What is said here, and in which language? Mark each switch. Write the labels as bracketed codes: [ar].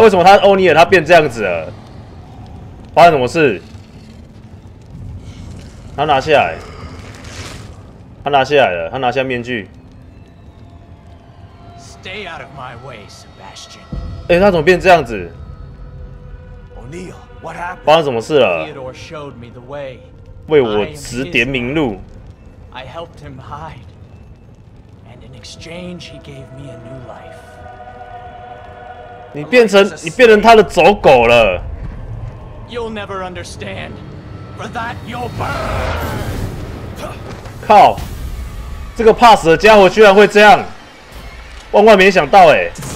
[zh] 为什么他欧尼尔他变这样子了？发生什么事？他拿下来，他拿下来了，他拿下面具。 [en] Stay out of my way, Sebastian. [zh] 哎，他怎么变这样子 [en] ？O'Neill, what happened? [zh] 发生什么事了 [en] ？Theodore showed me the way. [zh] 为我指点明路。 [en] I helped him hide, and in exchange, he gave me a new life. [zh] 你变成他的走狗了。 [en] You'll never understand. For that, you'll burn. [zh] 靠！这个怕死的家伙居然会这样，万万没想到哎、欸！